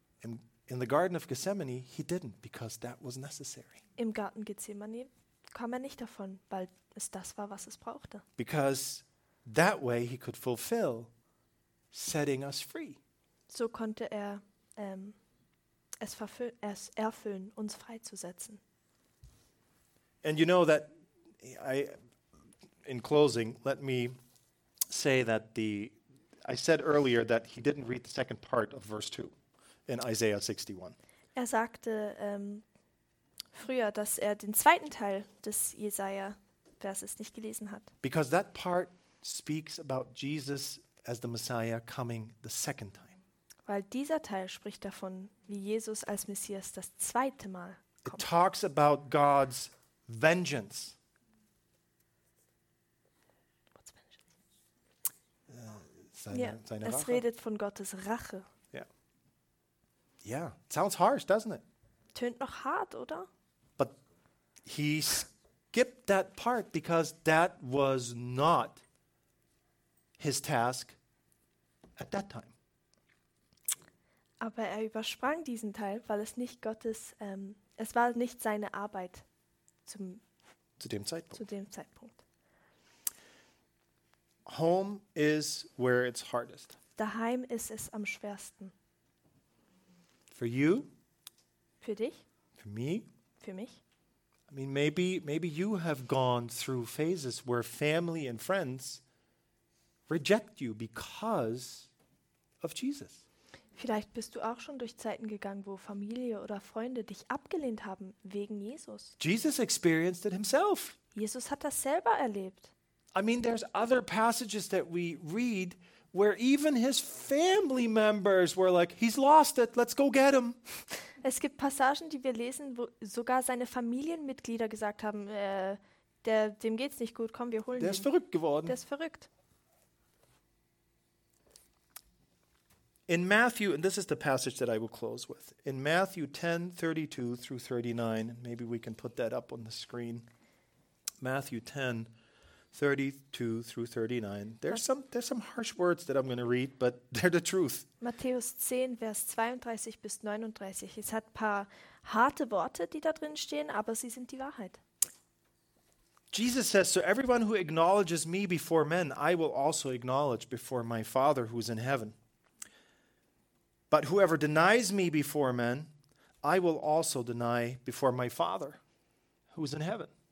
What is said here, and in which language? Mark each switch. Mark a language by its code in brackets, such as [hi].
[en] In the Garden of Gethsemane he didn't, because that was necessary. [de] Im Garten Gethsemane kam er nicht davon, weil es das war, was es brauchte. [en] Because that way he could fulfill setting us free. [de] So konnte er es erfüllen, uns freizusetzen. [en] And you know that I, in closing, let me say that I said earlier that he didn't read the second part of verse 2 in Isaiah 61. [de] Er sagte früher, dass er den zweiten Teil des Jesaja-Verses nicht gelesen hat. [en] Because that part speaks about Jesus as the Messiah coming the second time. [de] Weil dieser Teil spricht davon, wie Jesus als Messias das zweite Mal kommt. [en] It talks about God's vengeance. What's vengeance? [de] Seine Rache. Es redet von Gottes Rache. [en] Yeah. Sounds harsh, doesn't it? [de] Tönt noch hart, oder? [en] But he skipped that part because that was not his task at that time. [de] Aber er übersprang diesen Teil, weil es nicht Gottes, es war nicht seine Arbeit zu dem Zeitpunkt. [en] Home is where it's hardest. [de] Daheim ist es am schwersten. [en] For you. [de] Für dich. [en] For me. [de] Für mich. [en] I mean, maybe you have gone through phases where family and friends reject you because of Jesus. [de] Vielleicht bist du auch schon durch Zeiten gegangen, wo Familie oder Freunde dich abgelehnt haben wegen Jesus. [en] Jesus experienced it himself. [de] Jesus hat das selber erlebt. [en] I mean, there's other passages that we read where even his family members were like, he's lost it, let's go get him. [de] Es gibt Passagen, die wir lesen, wo sogar seine Familienmitglieder gesagt haben, dem geht's nicht gut, komm, wir holen ihn. Der ist verrückt geworden. Der ist verrückt. [en] In Matthew, and this is the passage that I will close with, in Matthew 10, 32 through 39, and maybe we can put that up on the screen, Matthew 10, 32 through 39, there's some harsh words that I'm going to read, but they're the truth. [de] Matthäus 10, Vers 32 bis 39, es hat paar harte Worte, die da drin stehen, aber sie sind die Wahrheit. [en] Jesus says, so everyone who acknowledges me before men, I will also acknowledge before my Father who is in heaven. But whoever denies me before men, I will also deny before my Father, who is in heaven.